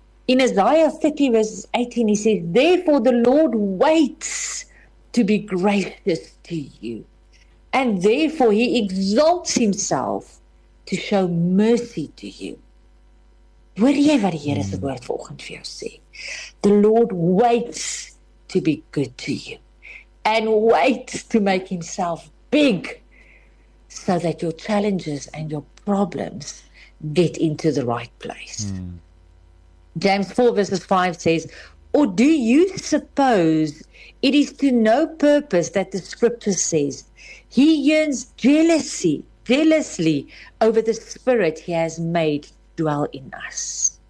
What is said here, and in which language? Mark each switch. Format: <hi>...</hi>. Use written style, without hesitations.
<en>In Isaiah 50 verse 18, he says, therefore the Lord waits to be gracious to you. And therefore he exalts himself to show mercy to you.</en> <af>Hoor jy wat die Here se woord vanoggend vir jou sê?</af> <en>The Lord waits to be good to you and waits to make himself big so that your challenges and your problems get into the right place. James 4 verses 5 says, or do you suppose it is to no purpose that the scripture says, he yearns jealously over the spirit he has made dwell in us.</en>